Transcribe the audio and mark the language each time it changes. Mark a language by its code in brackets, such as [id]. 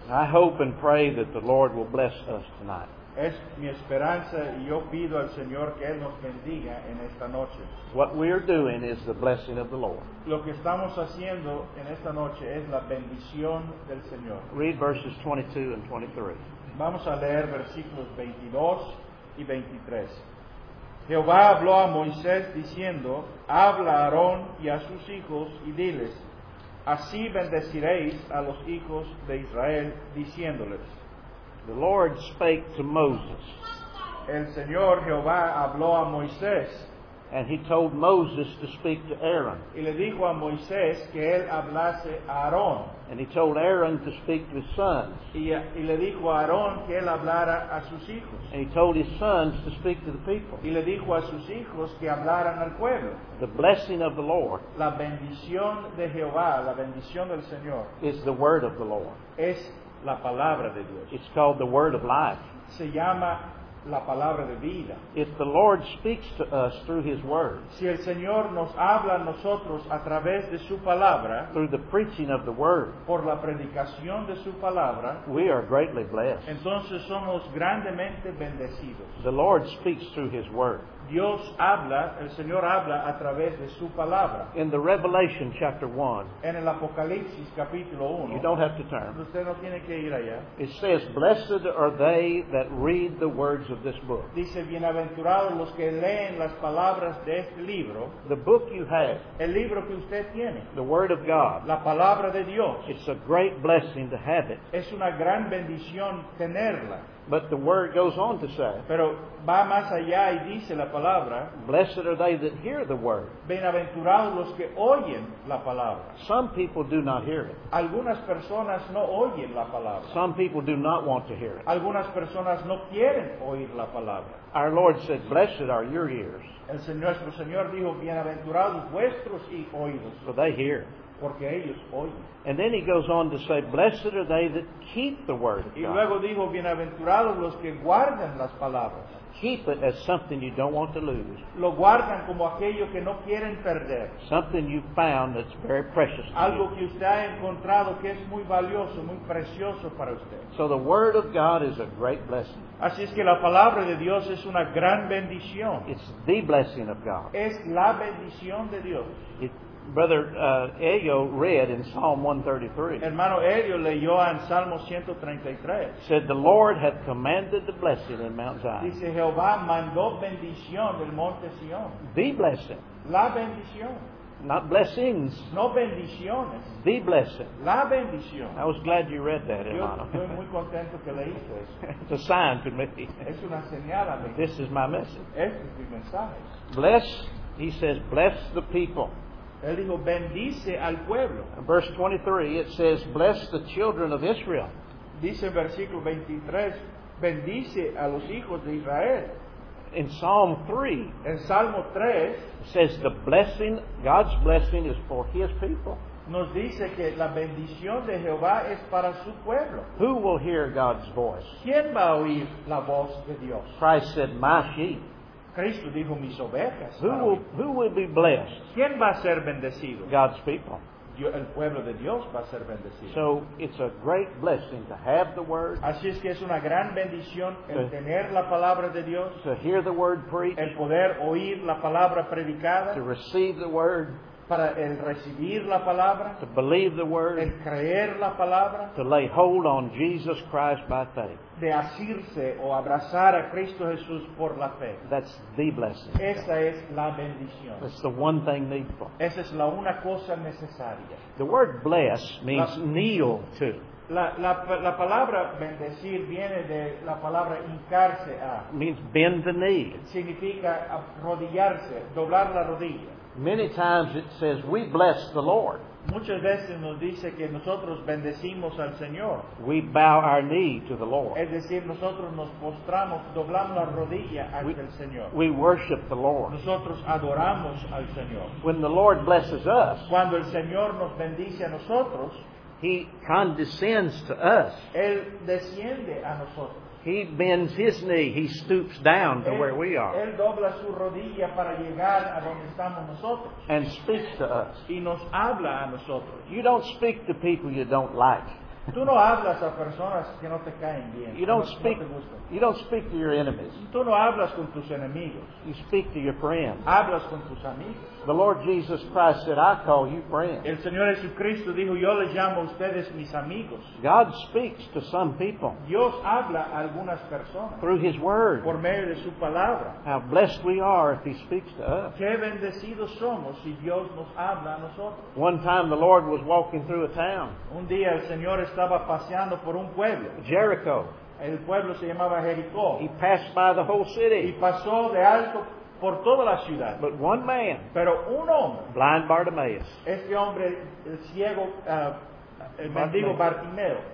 [en] I hope and pray that the Lord will bless us tonight. [es] Es mi esperanza y yo pido al Señor que Él nos bendiga en esta noche. [en] What we are doing is the blessing of the Lord. [es] Lo que estamos haciendo en esta noche es la bendición del Señor. [en] Read verses 22 and 23. [es] Vamos a leer versículos 22 y 23. Jehová habló a Moisés diciendo, habla a Aarón y a sus hijos y diles, así bendeciréis a los hijos de Israel, diciéndoles. [en] The Lord spake to Moses. [es] El Señor Jehová habló a Moisés. [en] And he told Moses to speak to Aaron. [es] Y le dijo a Moisés que él hablase a Aarón. [en] And he told Aaron to speak to his sons. [es] Y le dijo a Aarón que él hablara a sus hijos. [en] And he told his sons to speak to the people. [es] Y le dijo a sus hijos que hablaran al pueblo. [en] The blessing of the Lord. [es] La bendición de Jehová, la bendición del Señor. [en] Is the word of the Lord. [es] Es la palabra de Dios. [en] It's called the word of life. [es] Se llama la palabra de vida. [en] If the Lord speaks to us through His Word, [es] si el Señor nos habla a nosotros a través de su palabra, [en] through the preaching of the Word, [es] por la predicación de su palabra, [en] we are greatly blessed. [es] Entonces somos grandemente bendecidos. [en] The Lord speaks through His Word. [es] Dios habla, el Señor habla a través de su palabra. [en] In the Revelation chapter 1, [es] en el Apocalipsis capítulo 1, [en] you don't have to turn. [es] Usted no tiene que ir allá. [en] It says, blessed are they that read the words of this book. [es] Dice, bienaventurados los que leen las palabras de este libro. [en] The book you have. [es] El libro que usted tiene. [en] The word of God. [es] La palabra de Dios. [en] It's a great blessing to have it. [es] Es una gran bendición tenerla. [en] But the word goes on to say, [es] pero va más allá y dice la palabra, [en] blessed are they that hear the word. [es] Bienaventurados los que oyen la palabra. [en] Some people do not hear it. [es] Algunas personas no oyen la palabra. [en] Some people do not want to hear it. [es] Algunas personas no quieren oír la palabra. [en] Our Lord said, blessed are your ears. [es] El Señor, nuestro Señor dijo, bienaventurados vuestros oídos. [en] So they hear. [es] Porque ellos oyen. [en] And then he goes on to say, blessed are they that keep the word of God. [es] Y luego dijo, bienaventurados los que guardan las palabras. [en] Keep it as something you don't want to lose. [es] Lo guardan como aquello que no quieren perder. [en] Something you found that's very precious to you. [es] Algo que usted ha encontrado que es muy valioso, muy precioso para usted. [en] So the word of God is a great blessing. [es] Así es que la palabra de Dios es una gran bendición. [en] It's the blessing of God. [es] Es la bendición de Dios. [en] Brother Elio read in Psalm 133. [es] Hermano Elio leyó en Salmo 133. [en] Said the Lord hath commanded the blessing in Mount Zion. [es] Dice Jehová mandó bendición del monte Sion. [en] The blessing. [es] La bendición. [en] Not blessings. [es] No bendiciones. [en] The blessing. [es] La bendición. [en] I was glad you read that, hermano. [es] Estoy muy contento que leíste eso. [en] It's a sign to me. [es] Es una señal a mí. [en] This is my message. [es] Este es mi mensaje. [en] Bless, he says, bless the people. [es] Él dijo, bendice al pueblo. [en] Verse 23, it says, bless the children of Israel. [es] Dice en versículo 23, bendice a los hijos de Israel. [en] In Psalm 3, [es] en Salmo 3, [en] it says, the blessing, God's blessing is for His people. [es] Nos dice que la bendición de Jehová es para su pueblo. [en] Who will hear God's voice? [es] ¿Quién va a oír la voz de Dios? [en] Christ said, my sheep. [es] Cristo dijo, mis ovejas. [en] Who will be blessed? [es] ¿Quién va a ser bendecido? [en] God's people. [es] el pueblo de Dios va a ser bendecido. [en] So it's a great blessing to have the word. [es] Así es que es una gran bendición el tener la palabra de Dios. [en] To hear the word preached. [es] El poder oír la palabra predicada. [en] To receive the word. [es] Para el recibir la palabra. [en] To believe the word. [es] El creer la palabra. [en] To lay hold on Jesus Christ by faith. [es] De asirse o abrazar a Cristo Jesús por la fe. [en] That's the blessing. [es] Esa es la bendición. [en] That's the one thing needful. [es] Esa es la una cosa necesaria. [en] The word bless means kneel to. [es] La palabra bendecir viene de la palabra hincarse a. [en] Means bend the knee. [es] Significa arrodillarse, doblar la rodilla. [en] Many times it says, we bless the Lord. [es] Muchas veces nos dice que nosotros bendecimos al Señor. [en] We bow our knee to the Lord. [es] Es decir, nosotros nos postramos, doblamos la rodilla ante el Señor. [en] We worship the Lord. [es] Nosotros adoramos al Señor. [en] When the Lord blesses us, [es] cuando el Señor nos bendice a nosotros, [en] He condescends to us. [es] Él desciende a nosotros. [en] He bends his knee. He stoops down to where we are. [es] Él dobla su rodilla para llegar a donde estamos nosotros. [en] And speaks to us. [es] Y nos habla a nosotros. [en] You don't speak to people you don't like. [es] Tú no hablas a personas que no te caen bien. [en] You don't speak to your enemies. [es] Tú no hablas con tus enemigos. [en] You speak to your friends. [es] Hablas con tus amigos. [en] The Lord Jesus Christ said, I call you friends. [es] El Señor Jesucristo dijo, yo les llamo a ustedes mis amigos. [en] God speaks to some people. [es] Dios habla a algunas personas. [en] Through His Word. [es] Por medio de su palabra. [en] How blessed we are if He speaks to us. [es] Qué bendecidos somos si Dios nos habla a nosotros. [en] One time the Lord was walking through a town. [es] Un día el Señor estaba paseando por un pueblo. [en] Jericho. [es] El pueblo se llamaba Jericó. [en] He passed by the whole city. [es] Y pasó de alto por toda la ciudad. [en] But one man, [es] pero un hombre, [en] blind Bartimaeus, [es] este hombre, el ciego, el mendigo Bartimeo,